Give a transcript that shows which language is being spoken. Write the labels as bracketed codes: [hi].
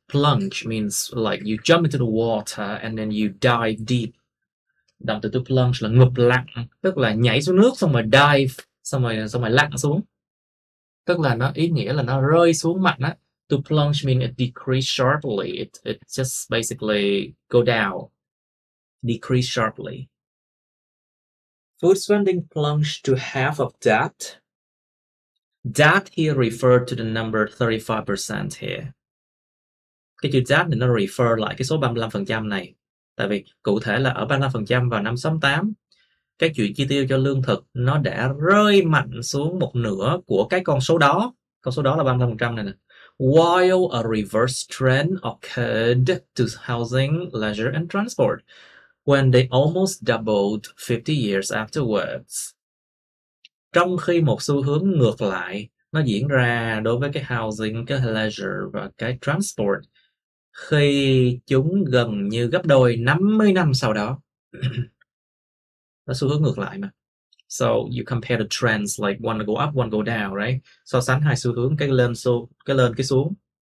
[en] Plunge means like you jump into the water and then you dive deep. [vi] Động từ to plunge là ngụp lặn, tức là nhảy xuống nước xong rồi dive, xong rồi lặn xuống. Tức là nó ý nghĩa là nó rơi xuống mặt á. [en] To plunge means it decreased sharply. It just basically go down. Decrease sharply. Food spending plunged to half of that. That here referred to the number 35% here. [vi] Cái chữ that này nó refer lại cái số 35% này. Tại vì cụ thể là ở 35% vào năm 68, cái chuyện chi tiêu cho lương thực nó đã rơi mạnh xuống một nửa của cái con số đó. Con số đó là 35% này nè. [en] While a reverse trend occurred to housing, leisure and transport, when they almost doubled 50 years afterwards. [vi] Trong khi một xu hướng ngược lại nó diễn ra đối với cái housing, cái leisure và cái transport khi chúng gần như gấp đôi 50 năm sau đó. Nó xu hướng ngược lại mà. [en] So you compare the trends like one go up, one go down, right? [vi] So sánh hai xu hướng cái lên cái xuống.